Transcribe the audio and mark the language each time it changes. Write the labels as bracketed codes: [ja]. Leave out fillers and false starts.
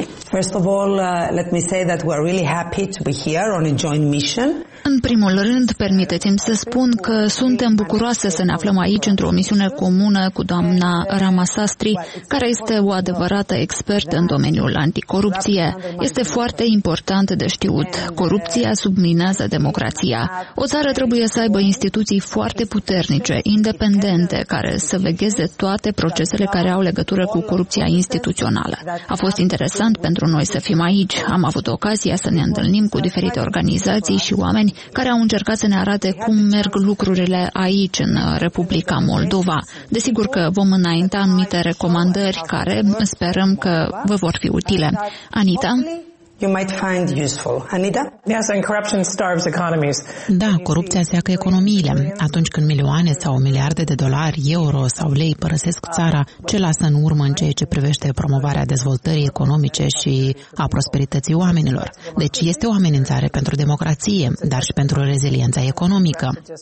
[en] First of all, let me say that we're really happy to be here on a joint mission. [ro] În primul rând, permiteți-mi să spun că suntem bucuroase să ne aflăm aici într-o misiune comună cu doamna Ramasastri, care este o adevărată expertă în domeniul anticorupție. Este foarte important de știut. Corupția subminează democrația. O țară trebuie să aibă instituții foarte puternice, independente, care să vegheze toate procesele care au legătură cu corupția instituțională. A fost interesant pentru noi să fim aici. Am avut ocazia să ne întâlnim cu diferite organizații și oameni care au încercat să ne arate cum merg lucrurile aici, în Republica Moldova. Desigur că vom înainta anumite recomandări care sperăm că vă vor fi utile. Anita? [en] You might find useful. Anita? Yes, and corruption starves economies. [ro] Da, corupția seacă economiile. Atunci când milioane sau miliarde de dolari, euro sau lei părăsesc țara, ce lasă în urmă în ceea ce privește promovarea dezvoltării economice și a prosperității oamenilor? Deci este o amenințare pentru democrație, dar și pentru reziliența economică.